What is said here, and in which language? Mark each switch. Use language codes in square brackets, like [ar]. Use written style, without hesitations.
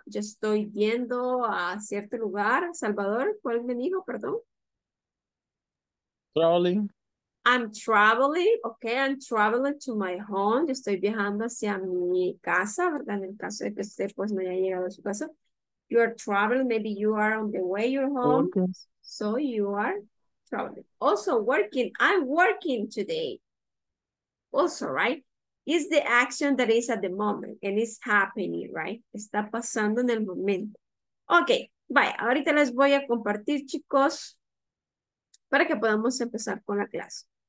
[es] Yo estoy yendo a cierto lugar. Salvador, ¿cuál me dijo, perdón? [en] Traveling. I'm traveling, okay, I'm traveling to my home. [es] Yo estoy viajando hacia mi casa, ¿verdad? En el caso de que usted pues no haya llegado a su casa. [en] You are traveling, maybe you are on the way to your home. Okay. So you are traveling. Also working, I'm working today. Also, right? Is the action that is at the moment and it's happening, right? [es] Está pasando en el momento. Okay, vaya, ahorita les voy a compartir, chicos, para que podamos empezar con la clase.